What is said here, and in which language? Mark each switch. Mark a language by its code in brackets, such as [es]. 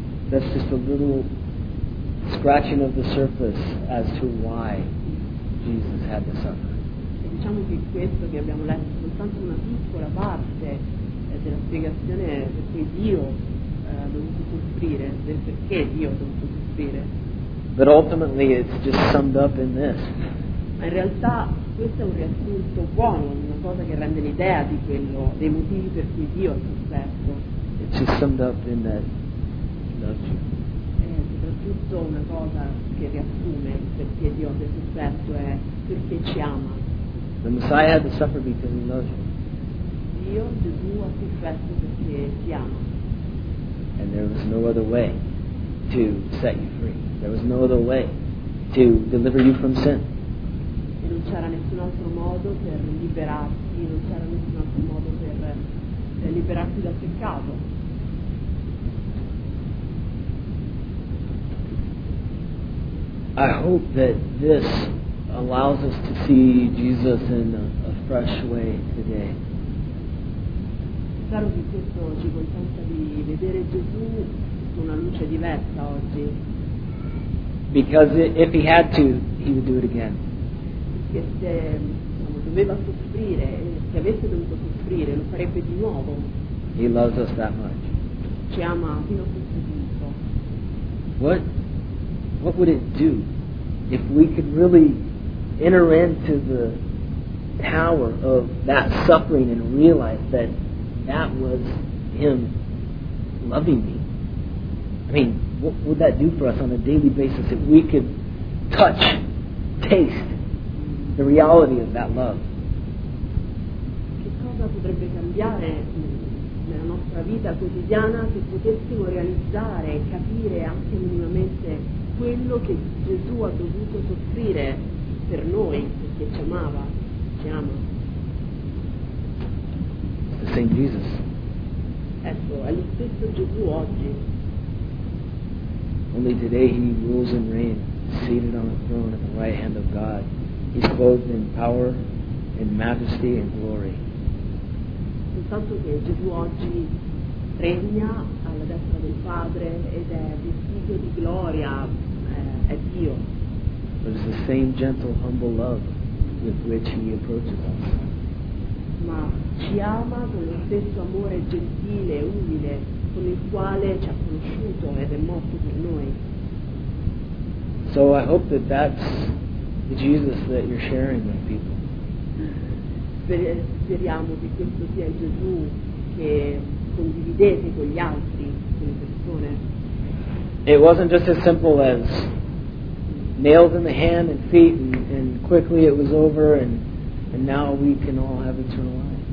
[en] That's just a little scratching of the surface as to why Jesus had to suffer. [it] E diciamo che questo che abbiamo letto è soltanto una piccola parte della spiegazione per cui Dio ha dovuto soffrire, del perché Dio ha dovuto soffrire. [en] But ultimately it's just summed up in this. [it] In realtà questo è un riassunto buono, una cosa che rende l'idea di quello, dei motivi per cui Dio ha sofferto. [en] It's just summed up in that he loves you. [it] E soprattutto una cosa che riassume perché Dio ha sofferto è perché ci ama. [en] The Messiah had to suffer because he loves you. [it] Dio, Gesù, ha sofferto perché ti ama. [en] And there was no other way to set you free. There was no other way to deliver you from sin. [it] E non c'era nessun altro modo per liberarsi, non c'era nessun altro modo per liberarsi dal peccato. [en] I hope that this allows us to see Jesus in a fresh way today. [it] Spero che questo ci consenta di vedere Gesù sotto una luce diversa oggi. [en] Because if he had to, he would do it again. [it] Che se doveva soffrire, se avesse dovuto soffrire, lo farebbe di nuovo. [en] He loves us that much. [it] Ci ama fino a questo punto. [en] What would it do if we could really enter into the power of that suffering and realize that that was him loving me? I mean, what would that do for us on a daily basis if we could touch, taste the reality of that love? [it] Che cosa potrebbe cambiare nella nostra vita quotidiana se potessimo realizzare e capire anche minimamente quello che Gesù ha dovuto soffrire per noi, perché ci amava, ci ama. [en] The same Jesus. [it] Ecco, è lo stesso Gesù oggi. [en] Only today he rules and reigns, seated on the throne at the right hand of God. He's clothed in power, in majesty, and glory. [it] Soltanto che Gesù oggi regna alla destra del Padre ed è vestito di gloria, è Dio. [en] But it's the same gentle, humble love with which he approaches us. [it] Ma ci ama con lo stesso amore gentile e umile con il quale ci ha conosciuto ed è morto per noi. [en] So I hope that that's Jesus that you're sharing with people. [it] speriamo che questo sia Gesù che condividete con gli altri, con le persone. [en] It wasn't just as simple as nails in the hand and feet and quickly it was over and now we can all have eternal life.